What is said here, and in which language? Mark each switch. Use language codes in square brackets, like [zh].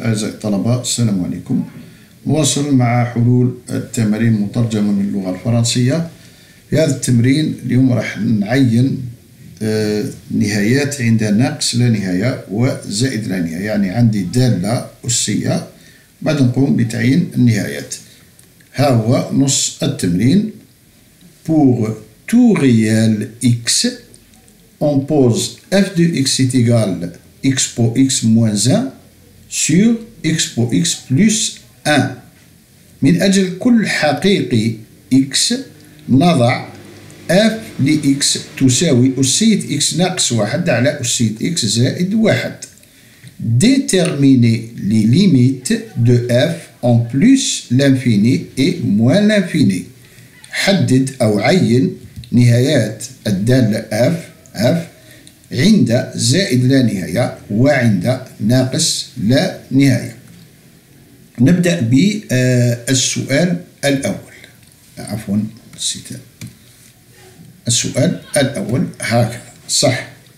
[ar] أعزائي الطلبة السلام عليكم، نواصل مع حلول التمارين مترجمة من اللغة الفرنسية. في هذا التمرين اليوم راح نعين نهايات عند ناقص لا نهاية وزائد لا نهاية، يعني عندي دالة أسية بعد نقوم بتعيين النهايات. ها هو نص التمرين. [fr] Pour tout réel x on pose f de x est égal x pour x moins 1 sur x pour x plus 1. [ar] من أجل كل حقيقي x نضع f لx تساوي أسية x ناقص 1 على أسية x زائد 1. [fr] Déterminer les limites de f en plus l'infini et moins l'infini. [ar] حدد أو عين نهايات الدالة f f عند زائد لا نهاية وعند ناقص لا نهاية. نبدأ بالسؤال الأول، عفوا نسيت السؤال الأول، هكذا صح.